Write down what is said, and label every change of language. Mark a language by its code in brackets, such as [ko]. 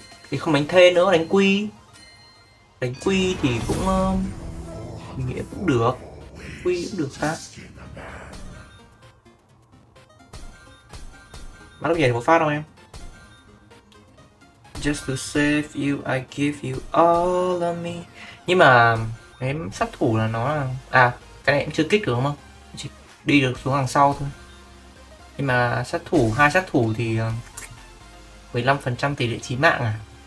[vi] Thì không đánh thê nữa, đánh quy. Đánh quy thì cũng mình nghĩ cũng được. Quy cũng được ha. Mà lúc nhảy một phát đâu em? [en] Just to save you, I give you all of me. [vi] Nhưng mà em sát thủ là nó là... À, cái này em chưa kích được đúng không? Chỉ đi được xuống hàng sau thôi. Nhưng mà sát thủ, hai sát thủ thì 15% tỷ lệ chí mạng à?